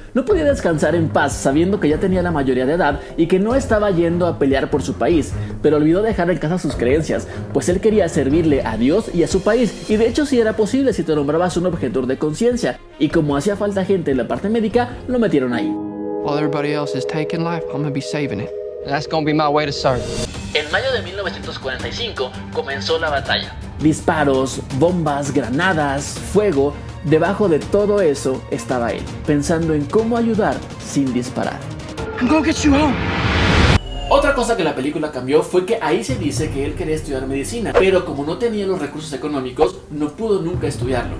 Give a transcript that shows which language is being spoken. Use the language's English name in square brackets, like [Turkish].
[Spanish] No podía descansar en paz sabiendo que ya tenía la mayoría de edad y que no estaba yendo a pelear por su país. Pero olvidó dejar en casa sus creencias, pues él quería servirle a Dios y a su país. Y de hecho sí era posible si te nombrabas un objetor de conciencia. Y como hacía falta gente en la parte médica, lo metieron ahí. [English] While everybody else is taking life, I'm gonna be saving it. That's gonna be my way to serve. [Spanish] En mayo de 1945 comenzó la batalla. Disparos, bombas, granadas, fuego. Debajo de todo eso estaba él, pensando en cómo ayudar sin disparar. [English] I'm gonna get you home. [Spanish] Otra cosa que la película cambió fue que ahí se dice que él quería estudiar medicina, pero como no tenía los recursos económicos, no pudo nunca estudiarlo.